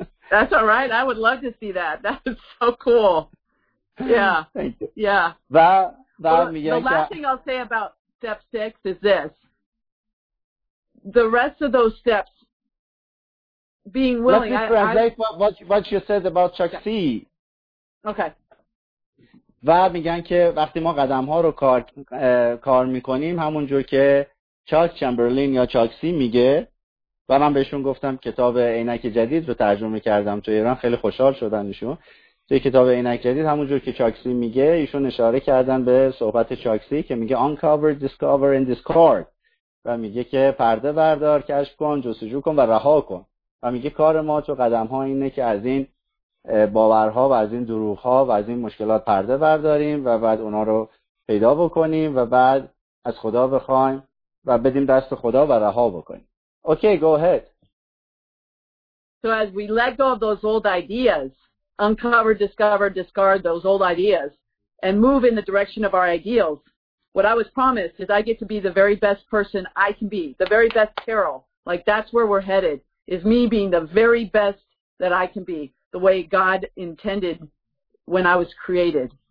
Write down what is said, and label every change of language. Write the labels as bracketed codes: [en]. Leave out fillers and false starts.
[en] That's all right. I would love to see that. That is so cool. Yeah. Thank you. Yeah. The last thing I'll say about step 6 is this. The rest of those steps, being willing. Let me translate what you said about Chuck C. Okay. [fa] و میگن که وقتی ما قدم ها رو کار میکنیم، همونجور که چاک چمبرلین یا چاک سی میگه، و من بهشون گفتم کتاب عینک جدید رو ترجمه کردم تو ایران، خیلی خوشحال شدن ایشون توی کتاب عینک جدید. همونجور که چاک سی میگه، ایشون اشاره کردن به صحبت چاک سی که میگه [en] uncover, discover and discard، [fa] و میگه که پرده بردار، کشف کن، جستجو کن و رها کن. و میگه کار ما تو قدم ها اینه که از این باورها و از این دروغها و از این مشکلات پرده برداریم و بعد اونا رو پیدا بکنیم و بعد از خدا بخوایم و بدیم دست خدا و رها بکنیم. [en] Okay, go ahead. So as we let go of those old ideas, uncover, discover, discard those old ideas, and move in the direction of our ideals, what I was promised is I get to be the very best person I can be, the very best Carol. Like, that's where we're headed, is me being the very best that I can be, the way God intended when I was created.